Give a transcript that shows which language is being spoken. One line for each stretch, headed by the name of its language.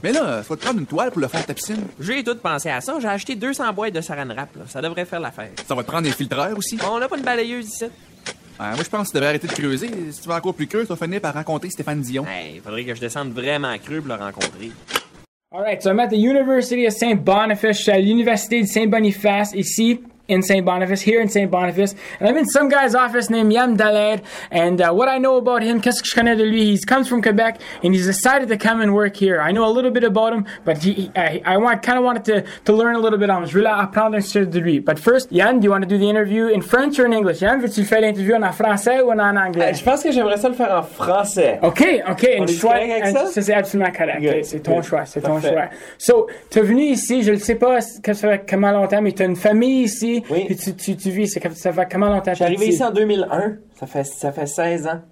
French: Mais là, faut te prendre une toile pour le fond de ta piscine. J'ai tout pensé à ça, j'ai acheté 200 boîtes de saran wrap, là. Ça devrait faire l'affaire. Ça va te prendre un filtreur aussi? On a pas une balayeuse ici. Moi, je pense que tu devrais arrêter de creuser. Si tu vas encore plus creux, tu vas finir par rencontrer Stéphane Dion. Hey, il faudrait que je descende vraiment creux pour le rencontrer.
English: All right, so I'm at the University of St.
French: Boniface, à l'Université de St. Boniface, ici,
English: in St. Boniface, here in St. Boniface. And I'm in some guy's office named Yann Dallaire. And what I know about him,
French: qu'est-ce que je connais de lui?
English: He comes from Quebec, and he's decided to come and work here. I know a little bit about him, but I kind of wanted to learn a little bit on him.
French: Je voulais apprendre un peu de lui.
English: But first, Yann, do you want to do the interview in French or in English?
French: Yann, veux-tu faire l'interview en français ou en anglais? Je pense que j'aimerais ça le faire en français. Okay. On est avec ça? Ça, c'est absolument correct. C'est ton choix. So, tu es venu ici, je ne sais pas que ça fait comment longtemps, mais tu as une famille ici. Oui. Puis tu vis, ça fait comment longtemps? J'ai arrivé ici en 2001, ça fait 16 ans.